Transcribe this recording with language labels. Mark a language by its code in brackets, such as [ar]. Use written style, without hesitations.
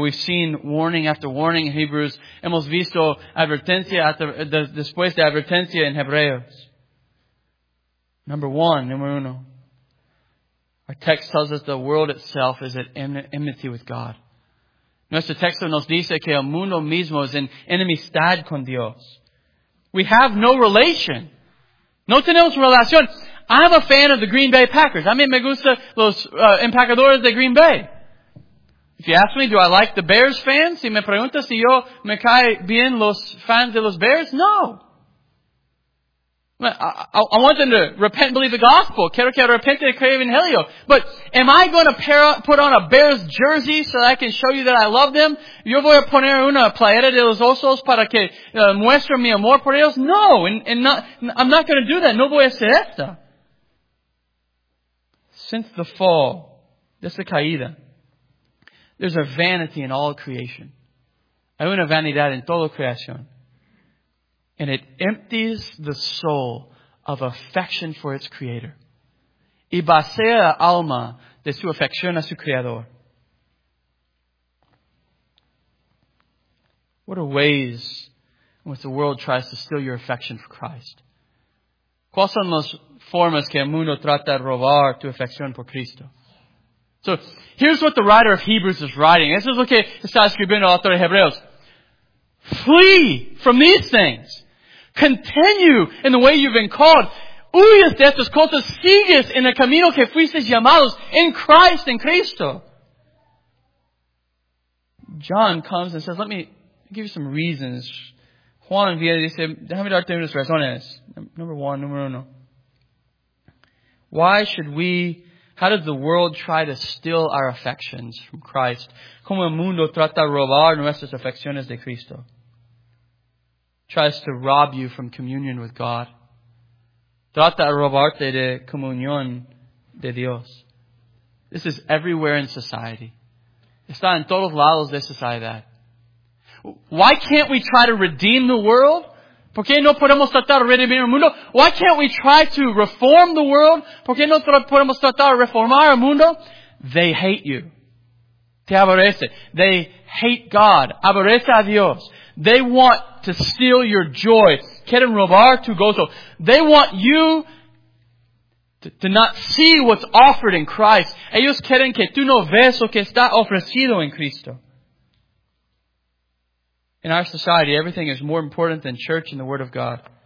[en] We've seen warning after warning in Hebrews. [es] Hemos visto advertencia después de advertencia en Hebreos. Número uno. [en] Our text tells us the world itself is at enmity with God. [es] Nuestro texto nos dice que el mundo mismo es en enemistad con Dios. [en] We have no relation. [es] No tenemos relación. [en] I'm a fan of the Green Bay Packers. I mean, [es] me gusta los empacadores de Green Bay. [en] If you ask me, do I like the Bears fans? [es] Si me preguntas si yo me cae bien los fans de los Bears, no. [en] I want them to repent and believe the gospel. [es] Quiero que arrepente y crea el evangelio. [en] But am I going to put on a Bears jersey so that I can show you that I love them? [es] Yo voy a poner una playera de los osos para que muestre mi amor por ellos? [en] No, I'm not going to do that. [es] No voy a hacer esta. [en] Since the fall, [es] desde caída, [en] there's a vanity in all creation. [es] Hay una vanidad en toda creación. [en] And it empties the soul of affection for its creator. [es] Y vacía la alma de su afección a su creador. [en] What are ways in which the world tries to steal your affection for Christ? [es] ¿Cuáles son las formas que el mundo trata de robar tu afección por Cristo? [en] So, here's what the writer of Hebrews is writing. This is [es] lo que está escribiendo el autor de Hebreos. [en] Flee from these things. Continue in the way you've been called. [es] Huyes de estas cosas. Sigues en el camino que fuiste llamados en Christ, en Cristo. [en] John comes and says, let me give you some reasons. [es] Juan viene y dice, déjame darte unas razones. [en] Number one. Why should we How does the world try to steal our affections from Christ? [es] ¿Cómo el mundo trata de robar nuestras afecciones de Cristo? [en] Tries to rob you from communion with God. [es] Trata de robarte de comunión de Dios. [en] This is everywhere in society. [es] Está en todos lados de sociedad. [en] Why can't we try to redeem the world? [es] ¿Por qué no podemos tratar de redimir el mundo? [en] Why can't we try to reform the world? [es] ¿Por qué no podemos tratar de reformar el mundo? [en] They hate you. [es] Te aborrece. [en] They hate God. [es] Aborrece a Dios. [en] They want to steal your joy. [es] Quieren robar tu gozo. [en] They want you to not see what's offered in Christ. [es] Ellos quieren que tú no veas lo que está ofrecido en Cristo. [en] In our society, everything is more important than church and the Word of God.